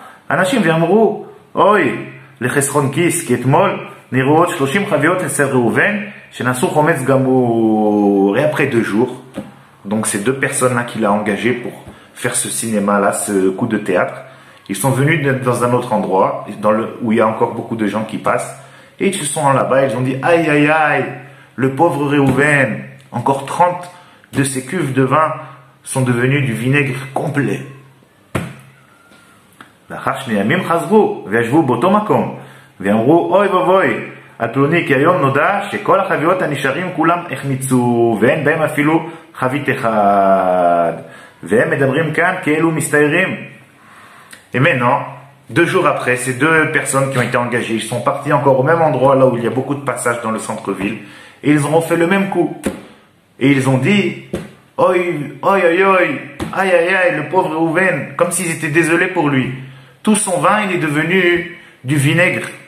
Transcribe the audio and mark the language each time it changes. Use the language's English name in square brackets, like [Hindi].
[Hebrew] אנשים ואמרו, אוי, לחסרון כיס, כי אתמול נראו עוד 30 חביות אצל ראובן, שנעשו חומץ גמור. [French] Et après deux jours, donc ces deux personnes-là qu'il a engagées pour faire ce cinéma-là, ce coup de théâtre, ils sont venus dans un autre endroit, où il y a encore beaucoup de gens qui passent, et ils se sont là-bas, ils ont dit, aïe, aïe, aïe, le pauvre Réhouven, encore 30 de ses cuves de vin sont devenues du vinaigre complet. [Hebrew] לאחר שני ימים חזרו וישבו באותו מקום ואמרו אוי ובוי על פלוני כי היום נודע שכל החביות הנשארים כולם החמיצו ואין בהם אפילו חבית אחד והם מדברים כאן כאלו מסתיירים. [French] Et maintenant, deux jours après, ces deux personnes qui ont été engagées, ils sont partis encore au même endroit là où il y a beaucoup de passages dans le centre-ville et ils ont fait le même coup et ils ont dit oi, oi, oi, oi. Aïe, aïe, aïe, le pauvre Réhouven, comme s'ils étaient désolés pour lui. Tout son vin, il est devenu du vinaigre.